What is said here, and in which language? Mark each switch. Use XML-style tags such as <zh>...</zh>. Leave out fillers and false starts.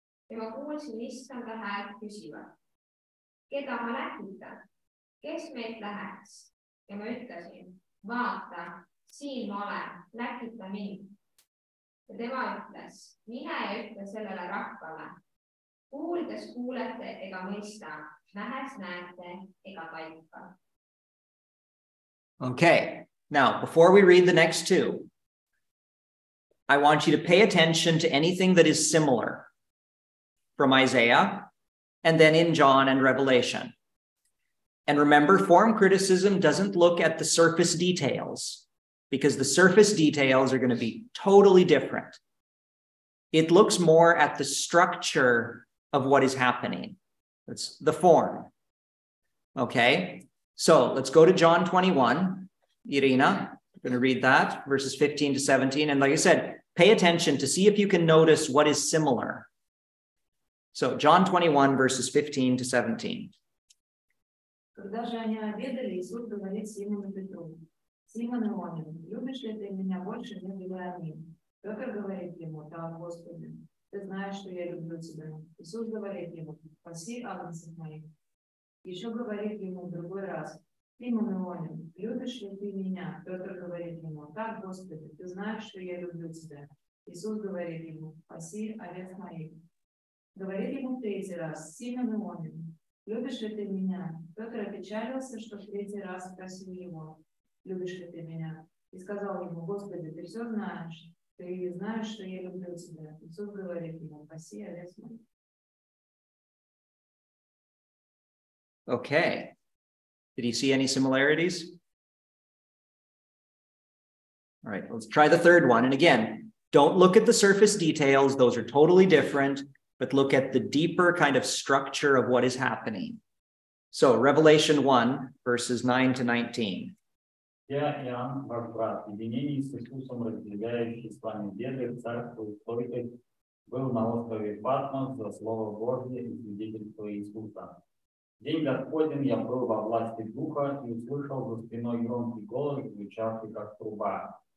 <et>Ja ma kuulsin issanda häält küsivad, keda ma lähitan, kes meid läheks? Ja ma ütlesin, vaata, siin ma olen, lähita mind. Ja tema ütles, mine ja ütle sellele rahvale. Kuuldes kuulete ega mõista, nähes näete ega taipa.</et> <en>Okay, now before we read the next two, I want you to pay attention to anything that is similar from Isaiah and then in John and Revelation. And remember, form criticism doesn't look at the surface details because the surface details are going to be totally different. It looks more at the structure of what is happening. It's the form. Okay, so let's go to John 21. Irina, I'm going to read that, verses 15 to 17. And like I said, pay attention to see if you can notice what is similar. So John 21, verses 15 to 17.</en> <ru>Когда же они обедали, Иисус говорит Симону Петру, Симон Иоанн, любишь ли ты меня больше, нежели они? Петр говорит ему, да, Господи, ты знаешь, что я люблю тебя. Иисус говорит ему, паси агнцев моих. Еще говорит ему в другой раз, Симон Иоанн, любишь ли ты меня? Петр говорит ему, так, Господи, ты знаешь, что я люблю тебя. Иисус говорит ему, паси овец моих. Говорит ему в третий раз, Симон Иоанн, любишь ли ты меня? Петр опечалился, что в третий раз спросил его, любишь ли ты меня? И сказал ему, Господи, ты все знаешь, ты знаешь, что я люблю тебя. Иисус говорит ему, паси овец моих.</ru> <en>Okay. Did you see any similarities? All right, let's try the third one. And again, don't look at the surface details. Those are totally different, but look at the deeper kind of structure of what is happening. So Revelation 1, verses 9 to 19.</en> <ru>Я, Иоанн, ваш брат, в единении с Иисусом, разделяющий с вами веру, царство и был на острове Патмос за слово Божье и свидетельство Иисуса. День Господень я был во власти Духа и услышал за спиной громкий голос, звучавший как труба.</ru>